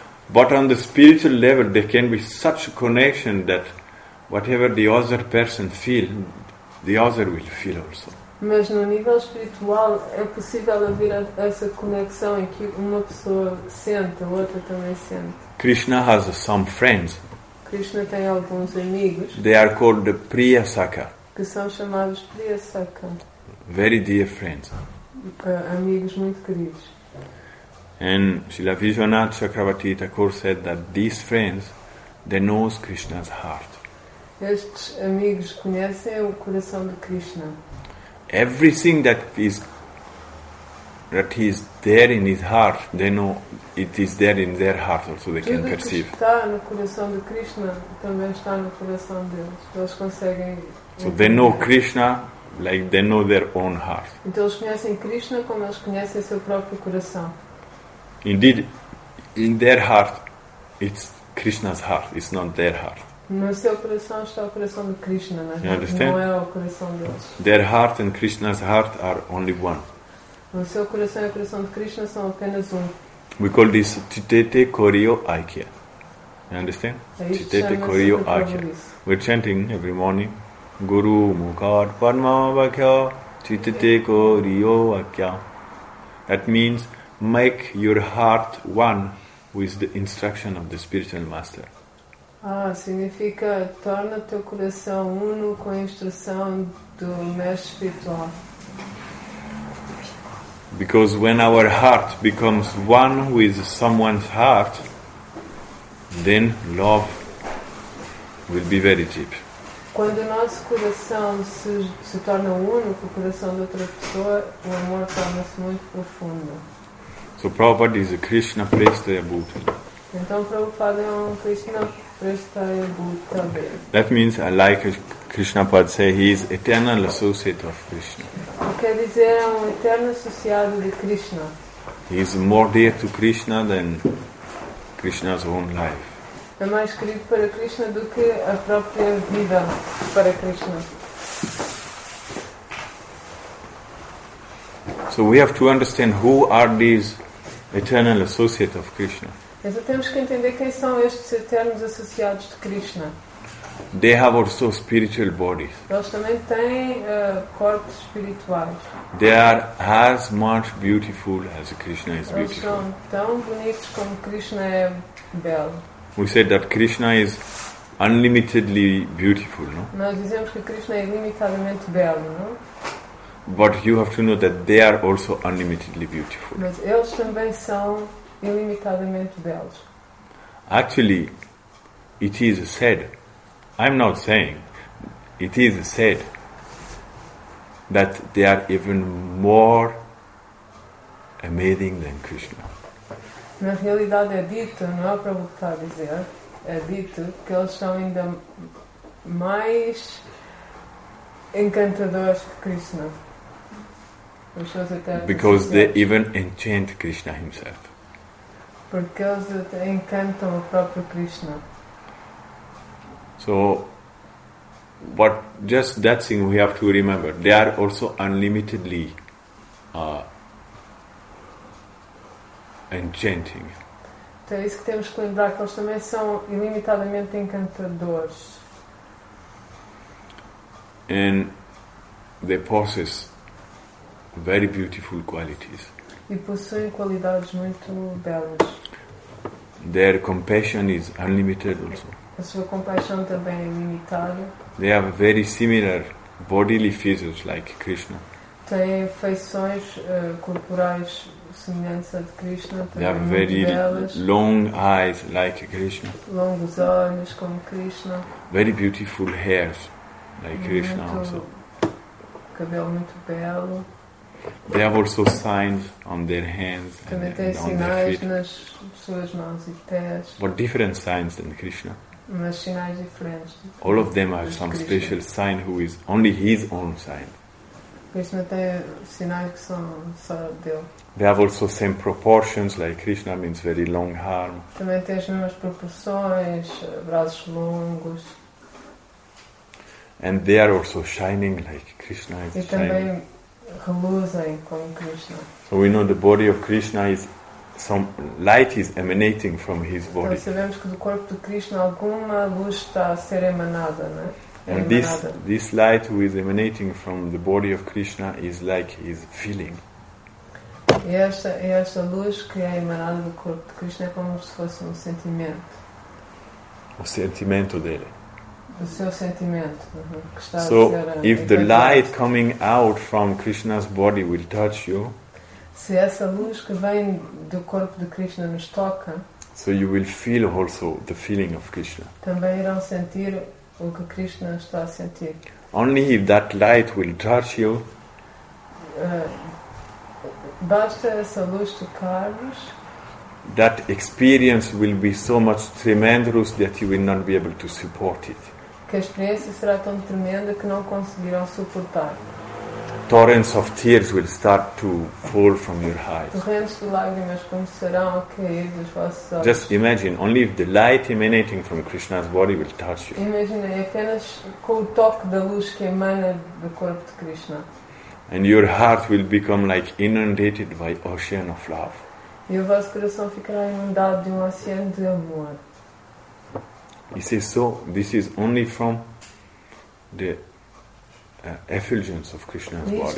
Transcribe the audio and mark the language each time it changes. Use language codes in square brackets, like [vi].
[en] But on the spiritual level, there can be such a connection that whatever the other person feels, the other will feel also. [pt] Mas no nível espiritual é possível haver essa conexão em que uma pessoa sente, a outra também sente. [en] Krishna has some friends. [pt] Krishna tem alguns amigos. [en] They are called the Priyasaka. [pt] Que são chamados Priyasaka. [en] Very dear friends. [pt] Amigos muito queridos. [en] And Srila Vishwanath Chakravarti Thakur said that these friends, they know Krishna's heart. [pt] Estes amigos conhecem o coração de Krishna. [en] Everything that is there in his heart, they know it is there in their heart also, they [pt] tudo [en] can perceive. [pt] Está no coração de Krishna, também está no coração deles. Eles conseguem entender. [en] So they know Krishna like they know their own heart. [pt] Então eles conhecem Krishna como eles conhecem seu próprio coração. [en] Indeed, in their heart, it's Krishna's heart, it's not their heart. [pt] No seu coração está o coração de Krishna, mas não é o coração deles. [en] Their heart and Krishna's heart are only one. [pt] No seu coração e o coração de Krishna são apenas um. [en] We call this Chitete Koryo Aikya. You understand? [bn] Chitete Koryo Aikya. [en] We're chanting every morning. [bn] Guru Mukhar Padma Vakya Chitete Koryo Aikya. [en] That means make your heart one with the instruction of the spiritual master. [pt] Ah, significa torna teu coração uno com a instrução do mestre espiritual. [en] Because when our heart becomes one with someone's heart, then love will be very deep. [pt] Quando o nosso coração se torna uno com o coração de outra pessoa, o amor torna-se muito profundo. [en] So Prabhupada is a Krishna Prestaya Bhuta. [pt] Então Prabhupada é um Krishna Prestaya Bhuta. [en] That means, like Krishna Pad say, he is eternal associate of Krishna. [pt] Quer dizer, é um eterno associado de Krishna. [en] He is more dear to Krishna than Krishna's own life. [pt] É mais querido para Krishna do que a própria vida para Krishna. [en] So we have to understand who are these eternal associates of Krishna. [pt] Então temos que entender quem são estes eternos associados de Krishna. [en] They have also spiritual bodies. [pt] Eles também têm corpos espirituais. [en] They are as much beautiful as Krishna is beautiful. [pt] Eles são tão bonitos como Krishna é belo. [en] We said that Krishna is unlimitedly beautiful, no? [pt] Nós dizemos que Krishna é ilimitadamente belo, não? [en] But you have to know that they are also unlimitedly beautiful. [pt] Mas eles também são ilimitadamente belos. [en] Actually, it is said, I'm not saying, it is said that they are even more amazing than Krishna. [pt] Na realidade é dito, não é para voltar a dizer, é dito que eles são ainda mais encantadores que Krishna. [en] Because they even enchant Krishna himself. [pt] Porque eles encantam o próprio Krishna. [en] So, but just that thing we have to remember, they are also unlimitedly and chanting. [pt] Então é isso que temos que lembrar, que eles também são ilimitadamente encantadores. [en] And they possess very beautiful qualities. [pt] E possuem qualidades muito belas. [en] Their compassion is unlimited also. [pt] A sua compaixão também é ilimitada. [en] They have very similar bodily features like Krishna. [pt] Têm feições corporais semelhantes à de Krishna. [en] They have very long eyes like Krishna. [pt] Longos olhos como Krishna. [en] Very beautiful hairs like Krishna also. [pt] Cabelo muito belo. [en] They have also signs on their hands and on their feet. But different signs than Krishna. [pt] Mas sinais diferentes. [en] All of them have some special sign who is only his own sign. [pt] Krishna tem sinais que são só dele. [en] They have also same proportions, like Krishna means very long arm. [pt] Também tem as mesmas proporções, braços longos. [en] And they are also shining like Krishna is shining. [pt] E também reluzem como Krishna. [en] So we know the body of Krishna is some light is emanating from his body. [pt] Então sabemos que do corpo de Krishna alguma luz está a ser emanada, né? [en] And this light who is emanating from the body of Krishna is like his feeling. [pt] Esta luz que é emanada do corpo de Krishna é como se fosse um sentimento. O sentimento dele. O seu sentimento. [en] So if the light coming out from Krishna's body will touch you. [pt] Se essa luz que vem do corpo de Krishna nos toca. [en] So you will feel also the feeling of Krishna. [pt] Também irão sentir o que Krishna está a sentir. [en] Only if that light will touch you. [pt] Basta essa luz tocar-vos. [en] That experience will be so much tremendous that you will not be able to support it. [pt] Que a experiência será tão tremenda que não conseguirão suportar. [en] Torrents of tears will start to fall from your eyes. [pt] Torrentes de lágrimas começarão a cair dos vossos olhos. [en] Just imagine, only if the light emanating from Krishna's body will touch you. [pt] Imagine apenas com o toque da luz que emana do corpo de Krishna. [en] And your heart will become like inundated by ocean of love. [pt] E o vosso coração ficará inundado de um oceano de amor. [en] He says, so this is only from the effulgence of Krishna's body.